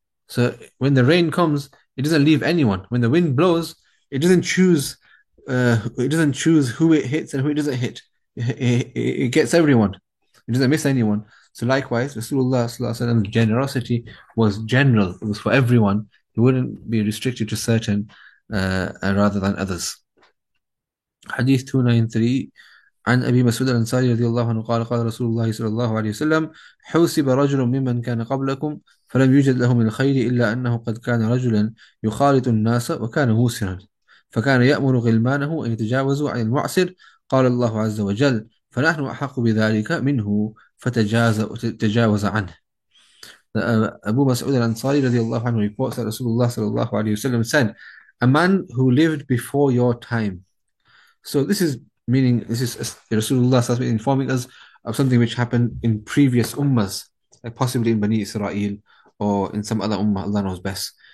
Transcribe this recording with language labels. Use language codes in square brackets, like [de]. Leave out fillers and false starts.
[en] So when the rain comes, it doesn't leave anyone. When the wind blows, it doesn't choose who it hits and who it doesn't hit. It gets everyone. It doesn't miss anyone. So likewise, Rasulullah sallallahu alaihi wasallam's generosity was general. It was for everyone. It wouldn't be restricted to certain rather than others. [ar] Hadith 293 عن أبي مسعود الأنصاري رضي الله عنه قال قال رسول الله صلى الله عليه وسلم حوسب رجل ممن كان قبلكم فلم يوجد له من الخير إلا أنه قد كان رجلا يخالط الناس وكان موسرا فكان يأمر غلمانه أن يتجاوزوا عن المعسر قال الله عز وجل فنحن أحق بذلك منه فتجاوز عنه. [en] أبو مسعود الأنصاري [ar] رضي الله عنه [en] reports that Rasulullah [ar] صلى الله عليه وسلم [en] said, a man who lived before your time. So this is Rasulullah has been informing us of something which happened in previous ummas, like possibly in Bani Israel or in some other ummah, Allah knows best.